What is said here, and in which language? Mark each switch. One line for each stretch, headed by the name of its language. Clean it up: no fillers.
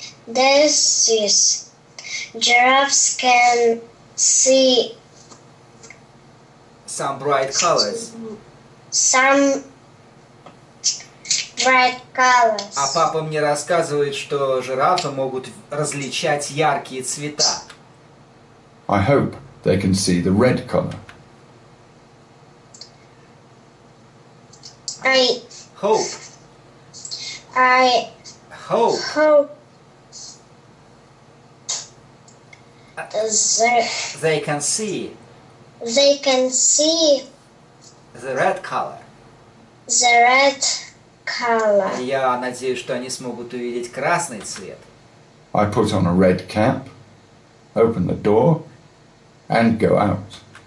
English: Dad says giraffes can see some bright colors. Some bright colors.
Russian: А папа мне рассказывает, что жирафы могут различать яркие цвета.
English: I hope they can see the red color. I hope. I hope. Hope. They can see. They can see the red color. The red color.
Russian: Я надеюсь, что они смогут увидеть красный цвет.
English: I put on a red cap, open the door, and go out.